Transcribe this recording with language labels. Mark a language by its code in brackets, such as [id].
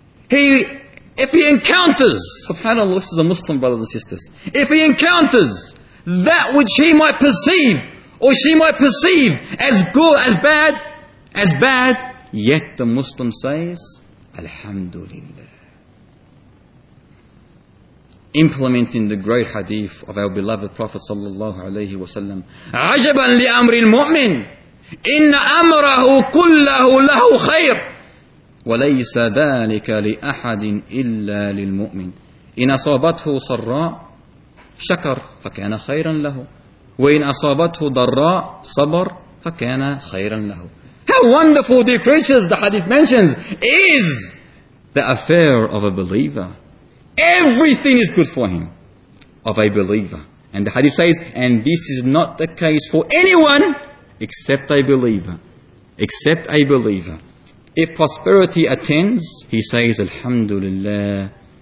[en] If he encounters, subhanAllah, this is a Muslim, brothers and sisters, if he encounters that which he might perceive, or she might perceive as good, as bad, yet the Muslim says, Alhamdulillah. Implementing the great hadith of our beloved Prophet sallallahu alayhi wa sallam, [ar] عَجَبًا لِأَمْرِ الْمُؤْمِنِ إِنَّ أَمْرَهُ كُلَّهُ لَهُ خَيْرٌ وَلَيْسَ ذَٰلِكَ لِأَحَدٍ إِلَّا لِلْمُؤْمِنِ إِنْ أَصَابَتْهُ صَرَّاءُ شَكَرْ فَكَانَ خَيْرًا لَهُ وَإِنْ أَصَابَتْهُ ضَرَّاءُ صَبَرْ فَكَانَ خَيْرًا لَهُ. [en] How wonderful, dear creatures, the hadith mentions, is the affair of a believer. Everything is good for him. of a believer. And the hadith says, and this is not the case for anyone except a believer. Except a believer. If prosperity attends, he says, Alhamdulillah.